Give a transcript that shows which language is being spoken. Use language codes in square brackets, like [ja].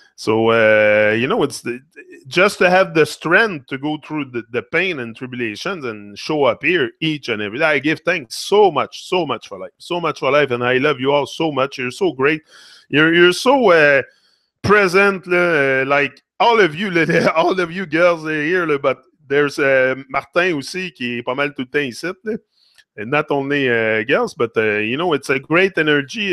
[en] So, you know, it's just to have the strength to go through the pain and tribulations and show up here each and every day. I give thanks so much for life, And I love you all so much. You're so great. You're so present. Like all of you, all of you girls here. But there's [fr] Martin aussi qui est pas mal tout le temps ici. [en] And not only girls, but, you know, it's a great energy.